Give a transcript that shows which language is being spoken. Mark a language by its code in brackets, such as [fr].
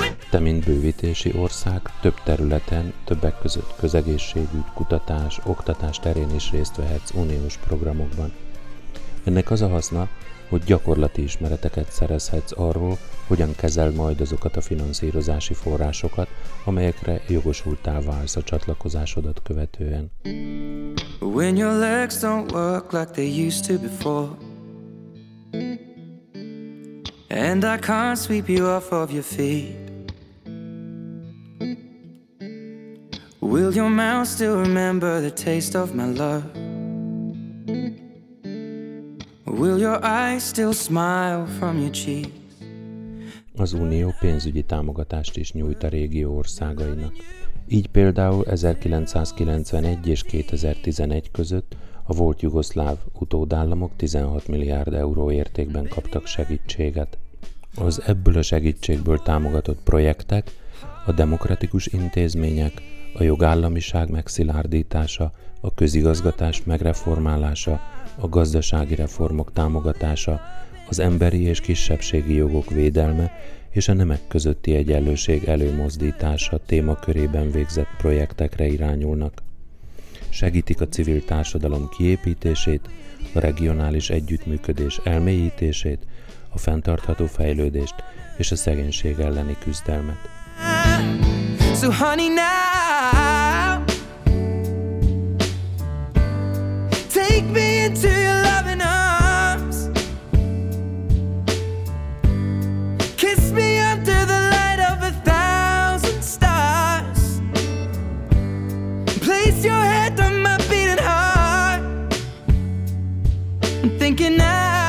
[hu] Te, mint bővítési ország, több területen, többek között közegészségügy, kutatás, oktatás terén is részt vehetsz uniós programokban. Ennek az a haszna, hogy gyakorlati ismereteket szerezhetsz arról, hogyan kezel majd azokat a finanszírozási forrásokat, amelyekre jogosultá válsz a csatlakozásodat követően. [en] When your legs don't work like they used to before, and I can't sweep you off of your feet, will your mouth still remember the taste of my love? Will your eyes still smile from your cheeks? [hu] Az unió pénzügyi támogatást is nyújt a régió országainak. Így például 1991 és 2011 között a volt jugoszláv utódállamok 16 milliárd euró értékben kaptak segítséget. Az ebből a segítségből támogatott projektek, a demokratikus intézmények, a jogállamiság megszilárdítása, a közigazgatás megreformálása, a gazdasági reformok támogatása, az emberi és kisebbségi jogok védelme és a nemek közötti egyenlőség előmozdítása témakörében végzett projektekre irányulnak. Segítik a civil társadalom kiépítését, a regionális együttműködés elmélyítését, a fenntartható fejlődést és a szegénység elleni küzdelmet. [en] So honey, now take me into your loving arms, kiss me under the light of a thousand stars, place your head on my beating heart, I'm thinking now.